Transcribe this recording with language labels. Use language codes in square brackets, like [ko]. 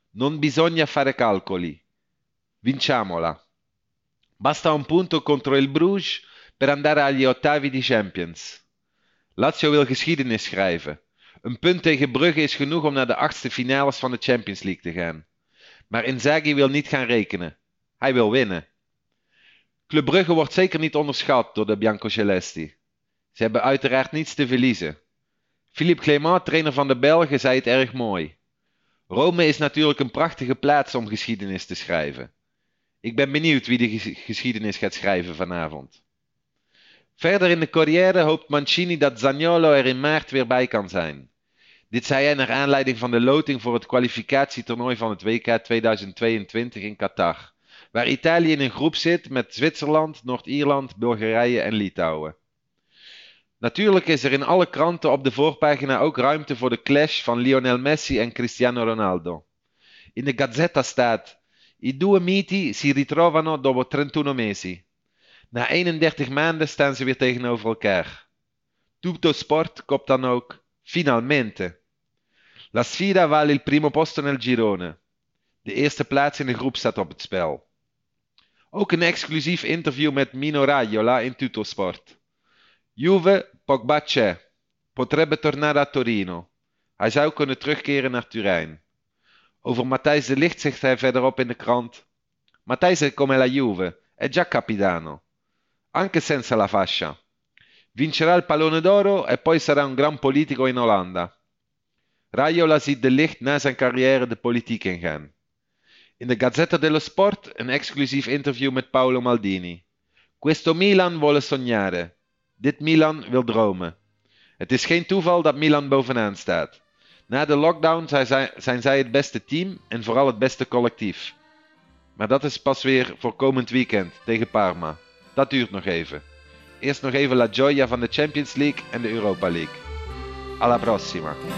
[it] Non bisogna fare calcoli. Vinciamola. Basta un punto contro il Bruges per andare agli ottavi di Champions. [nl] Lazio wil geschiedenis schrijven. Een punt tegen Brugge is genoeg om naar de 8e finales van de Champions League te gaan. Maar Inzaghi wil niet gaan rekenen. Hij wil winnen. Club Brugge wordt zeker niet onderschat door de Biancocelesti. Ze hebben uiteraard niets te verliezen. Philippe Clément, trainer van de Belgen, zei het erg mooi. Rome is natuurlijk een prachtige plaats om geschiedenis te schrijven. Ik ben benieuwd wie de geschiedenis gaat schrijven vanavond. Verder in de Corriere hoopt Mancini dat Zaniolo er in maart weer bij kan zijn. Dit zei hij naar aanleiding van de loting voor het kwalificatietoernooi van het WK 2022 in Qatar, waar Italië in een groep zit met Zwitserland, Noord-Ierland, Bulgarije en Litouwen. Natuurlijk is er in alle kranten op de voorpagina ook ruimte voor de clash van Lionel Messi en Cristiano Ronaldo. In de Gazzetta staat: [it] I due miti si ritrovano dopo 31 mesi. [nl] Na 31 maanden staan ze weer tegenover elkaar. Tutto Sport kopt dan ook. Finalmente. [it] La sfida vale il primo posto nel girone. [nl] De eerste plaats in de groep staat op het spel. Ook een exclusief interview met Mino Raiola in Tutto Sport. [it] Juve, Pogba c'è. Potrebbe tornare a Torino. [nl] Hij zou kunnen terugkeren naar Turijn. Over Matthijs de Ligt zegt hij verderop in de krant: [it] Matthijs è come la Juve, è già capitano. Anche senza la fascia. Vincerà il pallone d'oro e poi sarà un gran politico in Olanda. [nl] Raiola ziet de licht na zijn carrière de politiek ingaan. In de Gazzetta dello Sport een exclusief interview met Paolo Maldini. [it] Questo Milan vuole sognare. [nl] Dit Milan wil dromen. Het is geen toeval dat Milan bovenaan staat. Na de lockdown zijn zij het beste team en vooral het beste collectief. Maar dat is pas weer voor komend weekend tegen Parma. Dat duurt nog even. Eerst nog even [it] la gioia [nl] van de Champions League en de Europa League. [it] Alla prossima.